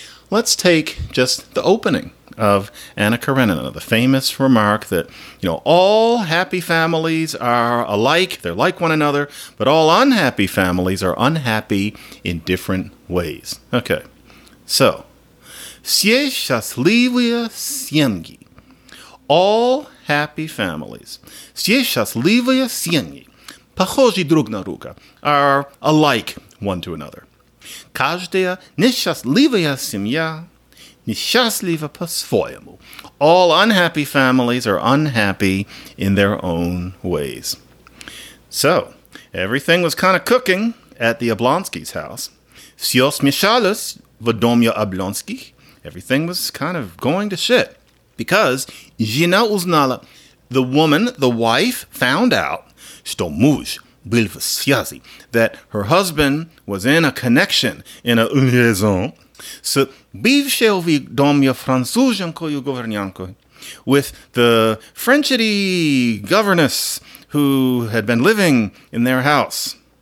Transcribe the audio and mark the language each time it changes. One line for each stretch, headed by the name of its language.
English: Let's take just the opening of Anna Karenina, the famous remark that, you know, all happy families are alike, they're like one another, but all unhappy families are unhappy in different ways. Okay, so,
Russian: все счастливые семьи,
English: all happy families, все счастливые семьи,
Russian: похожи друг на друга,
English: are alike one to another.
Russian: Каждая несчастливая семья несчастлива по-своему.
English: All unhappy families are unhappy in their own ways. So, everything was kind of cooking at the Oblonsky's house.
Russian: Всё смешалось в доме Облонски.
English: Everything was kind of going to shit. Because
Russian: жена узнала,
English: the woman, the wife, found out,
Russian: что муж был в связи,
English: that her husband was in a connection, in a liaison,
Russian: с бывшей в доме французской гувернанткой,
English: with the Frenchy governess who had been living in their house.